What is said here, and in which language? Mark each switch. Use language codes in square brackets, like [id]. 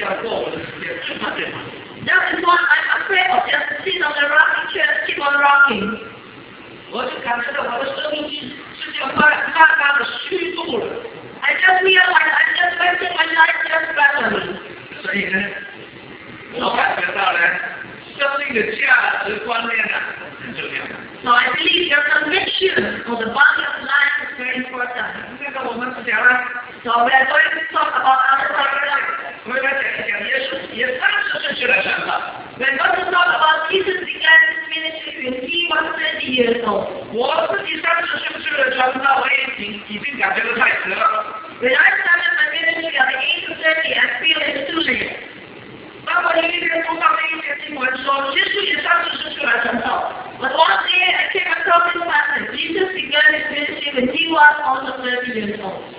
[en] That is why I'm afraid of just sitting on the rocking chair and keep on rocking. [zh] 我就感觉到我的生命是这样大大的虚度了。 [en] I just realized I'm just wasting my life just battling. [zh] 所以呢，我感觉到呢，生命的价值观念呢很重要。 [en] So I believe your conviction for the value of life is very important. [zh] 这个我们不讲了。 [en] So we are going to talk about other topics. [zh] 我们来讲一讲耶稣也30岁就来传道。 [en] When God was talking about Jesus began his ministry when he was 30 years old. [zh] 我自己30岁的传道，我已经感觉到太迟了。 [en] When I started my ministry at the age of 30, I feel it's too late. [zh] 当我一边播放那一篇新闻说，耶稣也30岁出来传道。 [en] But one day I came across this passage. Jesus began his ministry when he was also 30 years old.